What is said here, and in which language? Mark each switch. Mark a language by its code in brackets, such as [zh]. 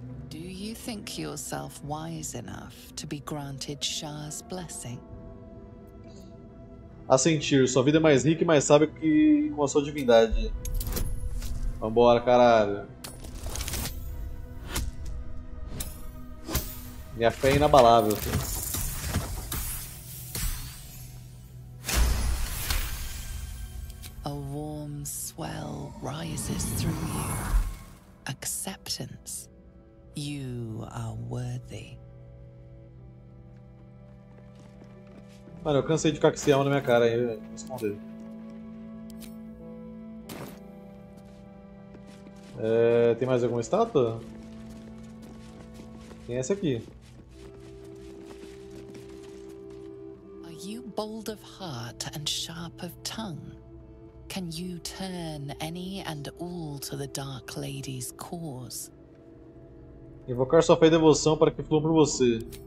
[en] Do you think yourself wise enough to be granted Shah's blessing? [pt] A sentir, sua vida é mais rica e mais sábia que com a sua divindade. Vambora, caralho. Minha fé é inabalável. [en] A warm swell rises through you. Acceptance. You are worthy. [pt] Mano, eu cansei de ficar com esse alma na minha cara aí, vou esconder. Tem mais alguma estátua? Tem essa aqui. [en] You bold of heart and sharp of tongue. Can you turn any and all to the Dark Lady's cause? [pt] Invocar sua fé e devoção para que flua por você.